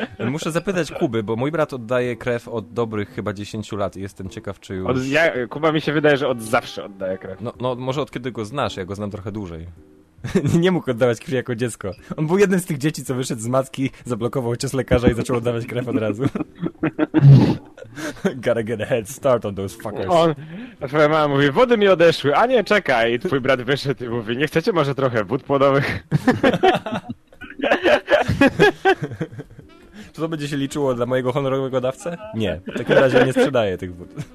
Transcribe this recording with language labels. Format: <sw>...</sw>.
<pl>Muszę zapytać Kuby, bo mój brat oddaje krew od dobrych chyba 10 lat i jestem ciekaw, czy już... Kuba mi się wydaje, że od zawsze oddaje krew. No, może od kiedy go znasz, ja go znam trochę dłużej. Nie mógł oddawać krwi jako dziecko. On był jednym z tych dzieci, co wyszedł z matki, zablokował cios lekarza i zaczął oddawać krew od razu.</pl> <en>Gotta get a head start on those fuckers.</en> <pl>Twoja mama mówi, wody mi odeszły, a nie, czekaj. I twój brat wyszedł i mówi, nie chcecie może trochę wód płodowych? Czy to będzie się liczyło dla mojego honorowego dawcy? Nie, w takim razie nie sprzedaję tych wód.</pl>